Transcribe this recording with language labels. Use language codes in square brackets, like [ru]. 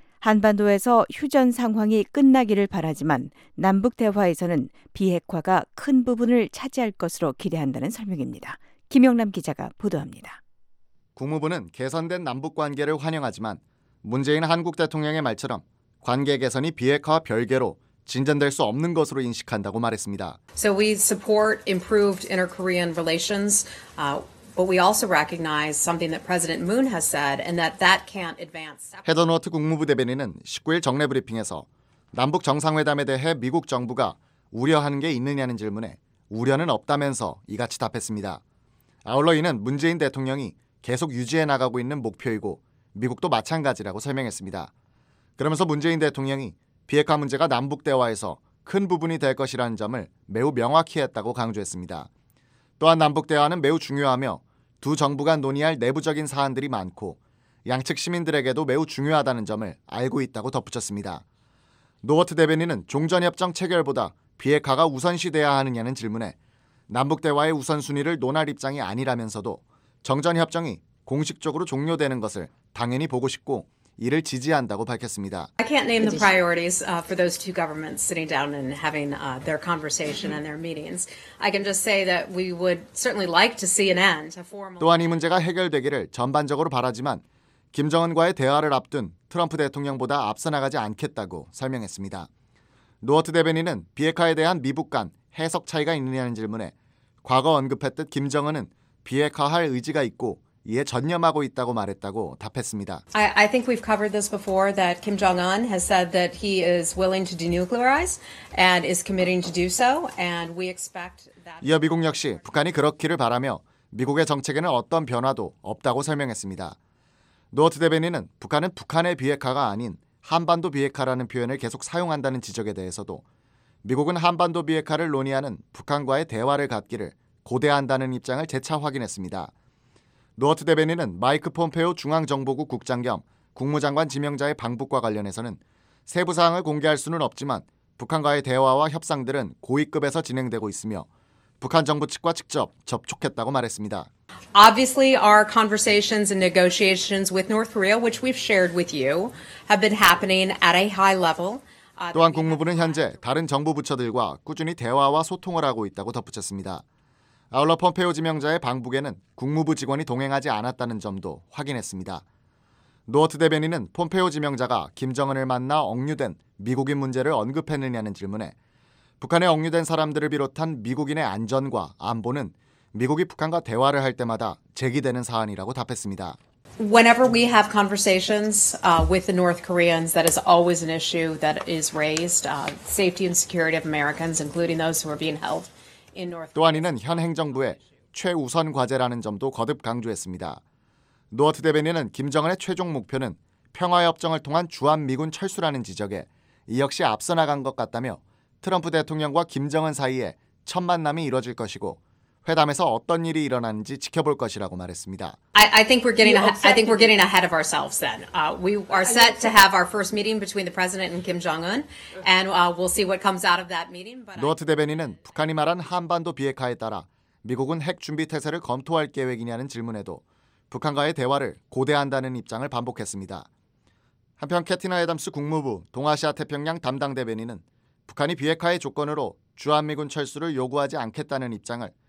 [ko] 한반도에서 휴전 상황이 끝나기를 바라지만 남북 대화에서는 비핵화가 큰 부분을 차지할 것으로 기대한다는 설명입니다. 김영남 기자가 보도합니다. 국무부는 개선된 남북관계를 환영하지만 문재인 한국 대통령의 말처럼 관계 개선이 비핵화와 별개로 진전될 수 없는 것으로 인식한다고 말했습니다. [en] So we support improved inter-Korean relations. But we also recognize something that President Moon has said and that can't advance. [ko] 헤더 노트 국무부 대변인은 19일 정례 브리핑에서 남북 정상회담에 대해 미국 정부가 우려하는 게 있느냐는 질문에 우려는 없다면서 이같이 답했습니다. 아울러 이는 문재인 대통령이 계속 유지해 나가고 있는 목표이고 미국도 마찬가지라고 설명했습니다. 그러면서 문재인 대통령이 비핵화 문제가 남북 대화에서 큰 부분이 될 것이라는 점을 매우 명확히 했다고 강조했습니다. 또한 남북 대화는 매우 중요하며 두 정부 간 논의할 내부적인 사안들이 많고 양측 시민들에게도 매우 중요하다는 점을 알고 있다고 덧붙였습니다. 노어트 대변인은 종전협정 체결보다 비핵화가 우선시돼야 하느냐는 질문에 남북 대화의 우선순위를 논할 입장이 아니라면서도 정전협정이 공식적으로 종료되는 것을 당연히 보고 싶고 이를 지지한다고 밝혔습니다. [en] I can't name the priorities for those two governments sitting down and having their conversation and their meetings. I can just say that we would certainly like to see an end. [ko] 또한 이 문제가 해결되기를 전반적으로 바라지만 김정은과의 대화를 앞둔 트럼프 대통령보다 앞서 나가지 않겠다고 설명했습니다. 노어트 대변인은 비핵화에 대한 미북 간 해석 차이가 있느냐는 질문에 과거 언급했듯 김정은은 비핵화할 의지가 있고 이에 전념하고 있다고 말했다고 답했습니다. [en] I think we've covered this before that Kim Jong-un has said that he is willing to denuclearize and is committing to do so and we expect that [ko] 이어 미국 역시 북한이 그렇기를 바라며 미국의 정책에는 어떤 변화도 없다고 설명했습니다. 노어트 대변인은 북한은 북한의 비핵화가 아닌 한반도 비핵화라는 표현을 계속 사용한다는 지적에 대해서도 미국은 한반도 비핵화를 논의하는 북한과의 대화를 갖기를 고대한다는 입장을 재차 확인했습니다. 노어트 대변인은 마이크 폼페오 중앙정보국 국장 겸 국무장관 지명자의 방북과 관련해서는 세부 사항을 공개할 수는 없지만 북한과의 대화와 협상들은 고위급에서 진행되고 있으며 북한 정부 측과 직접 접촉했다고 말했습니다. [en] Obviously our conversations and negotiations with North Korea which we've shared with you have been happening at a high level. [ko] 또한 국무부는 현재 다른 정부 부처들과 꾸준히 대화와 소통을 하고 있다고 덧붙였습니다. 아울러 폼페오 지명자의 방북에는 국무부 직원이 동행하지 않았다는 점도 확인했습니다. 노어트 대변인은 폼페오 지명자가 김정은을 만나 억류된 미국인 문제를 언급했느냐는 질문에 북한에 억류된 사람들을 비롯한 미국인의 안전과 안보는 미국이 북한과 대화를 할 때마다 제기되는 사안이라고 답했습니다. [en] Whenever we have conversations with the North Koreans, that is always an issue that is raised. Safety and security of Americans, including those who are being held. [ko] 또한 이는 현 행정부의 최우선 과제라는 점도 거듭 강조했습니다. 노어트 대변인은 김정은의 최종 목표는 평화협정을 통한 주한미군 철수라는 지적에 이 역시 앞서 나간 것 같다며 트럼프 대통령과 김정은 사이에 첫 만남이 이뤄질 것이고 회담에서 어떤 일이 일어나는지 지켜볼 것이라고 말했습니다. [en] I think we're getting ahead of ourselves then. We are set to have our first meeting between the president and Kim Jong-un and we'll see what comes out of that meeting. [ko] 노어트 대변인은 북한이 말한 한반도 비핵화에 따라 미국은 핵 준비 태세를 검토할 계획이냐는 질문에도 북한과의 대화를 고대한다는 입장을 반복했습니다. 한편 캐티나 애덤스 국무부 동아시아 태평양 담당 대변인은 북한이 비핵화의 조건으로 주한미군 철수를 요구하지 않겠다는 입장을